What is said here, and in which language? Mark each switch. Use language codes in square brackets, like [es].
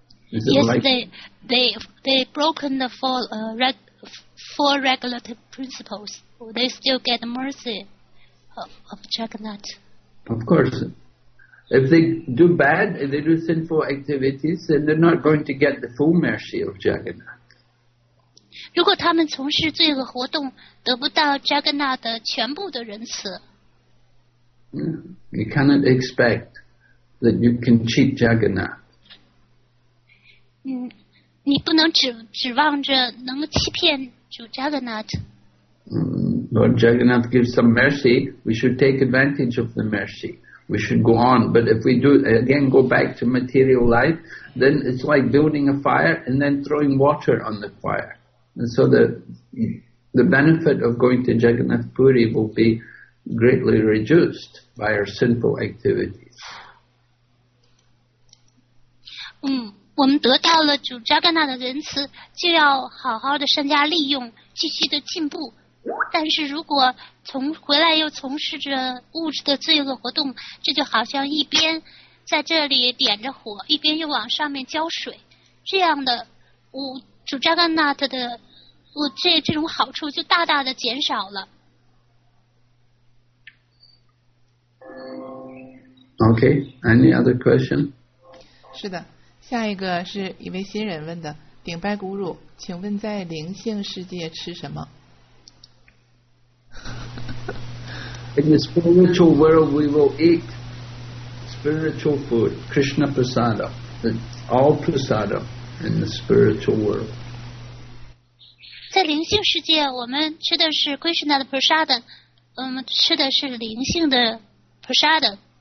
[en] Yes, they broken the four regulative principles. Will they still get the mercy of Jagannath? Of course. If they do bad, if they do sinful activities, then they're not going to get the full mercy of Jagannath. [zh] 如果他们从事罪恶活动，得不到扎格纳的全部的仁慈。 [en] You cannot expect that you can cheat Jagannath. [zh] 你不能指望着能欺骗主扎格纳。 [en] Lord Jagannath gives some mercy. We should take advantage of the mercy. We should go on. But if we do again, go back to material life, then it's like building a fire and then throwing water on the fire. And so the benefit of going to Jagannath Puri will be greatly reduced by our sinful activities. [zh] 我们得到了主扎格纳的仁慈，就要好好的善加利用，继续的进步。但是如果从回来又从事着物质的罪恶活动，这就好像一边在这里点着火，一边又往上面浇水，这样的主扎格纳特的这种好处就大大的减少了。 [en] OK, any other question? [zh] 是的，下一个是一位新人问的，顶拜古鲁，请问在灵性世界吃什么？ [en] In the spiritual world we will eat spiritual food, Krishna Prasada, all Prasada in the spiritual world. [zh] 在灵性世界，我们吃的是 Krishna 的 Prasada， 吃的是灵性的 Prasada。